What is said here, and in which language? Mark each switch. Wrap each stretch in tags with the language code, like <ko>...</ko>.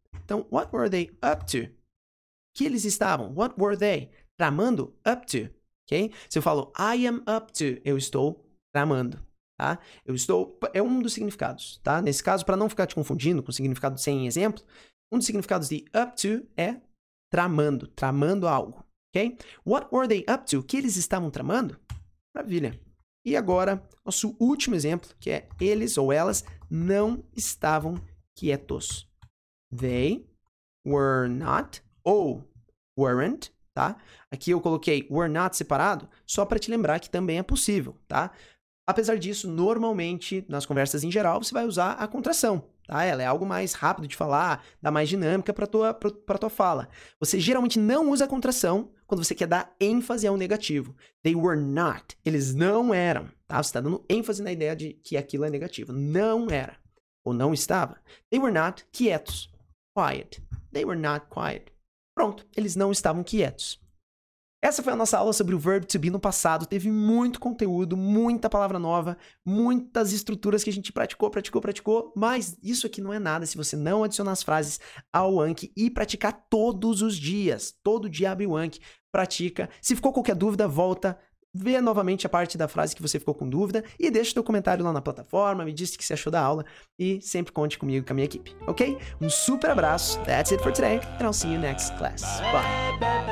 <pt>Então,</pt> <en>what were they up to?</en> <pt>Que eles estavam?</pt> <en>What were they?</en> <pt>Tramando,</pt> <en>up to. Okay?</en> <pt>Se eu falo,</pt> <en>I am up to,</en> <pt>eu estou tramando. Tá? Eu estou, é um dos significados. Tá? Nesse caso, para não ficar te confundindo com o significado sem exemplo, um dos significados de up to é tramando, tramando algo. Okay?</pt> <en>What were they up to?</en> <pt>Que eles estavam tramando? Maravilha. E agora, nosso último exemplo, que é eles ou elas não estavam quietos.</pt> <en>They were not</en> <pt>ou</pt> <en>weren't,</en> <pt>tá? Aqui eu coloquei were not separado, só para te lembrar que também é possível, tá? Apesar disso, normalmente, nas conversas em geral, você vai usar a contração. tá? Ela é algo mais rápido de falar, dá mais dinâmica para tua fala. Você geralmente não usa a contração quando você quer dar ênfase ao negativo.</pt> <en>They were not.</en> <pt>Eles não eram, tá? Você está dando ênfase na ideia de que aquilo é negativo. Não era. Ou não estava.</pt> <en>They were not</en> <pt>quietos. Quiet.</pt> <en>They were not quiet.</en> <pt>Pronto, eles não estavam quietos. Essa foi a nossa aula sobre o verbo to be no passado. Teve muito conteúdo, muita palavra nova, muitas estruturas que a gente praticou, praticou, praticou. Mas isso aqui não é nada se você não adicionar as frases ao Anki e praticar todos os dias. Todo dia abre o Anki, pratica. Se ficou qualquer dúvida, volta. Vê novamente a parte da frase que você ficou com dúvida e deixe seu comentário lá na plataforma, me diz o que você achou da aula e sempre conte comigo e com a minha equipe, ok? Um super abraço,</pt> <en>that's it for today, and I'll see you next class. Bye!</en>